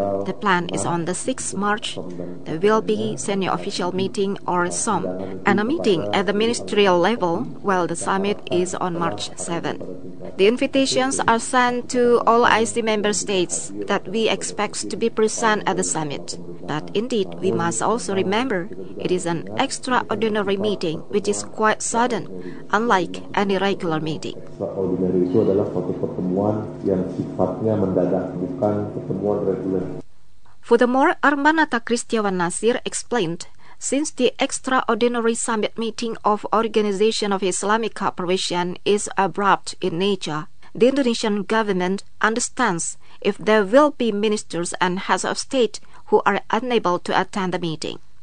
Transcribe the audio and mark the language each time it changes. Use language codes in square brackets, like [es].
[en] The plan is on the 6th March. There will be senior official meeting or SOM and a meeting at the ministerial level while the summit is on March 7. The invitations are sent to all OIC member states that we expect to be present at the summit. But indeed, we must also remember it is an extraordinary meeting which is quite sudden, unlike any regular meeting. [id] Extraordinary itu adalah suatu pertemuan yang sifatnya mendadak, bukan pertemuan reguler. [en] Furthermore, Armanata Kristiawan Nasir explained, since the extraordinary summit meeting of Organization of Islamic Cooperation is abrupt in nature, the Indonesian government understands if there will be ministers and heads of state who are unable to attend the meeting.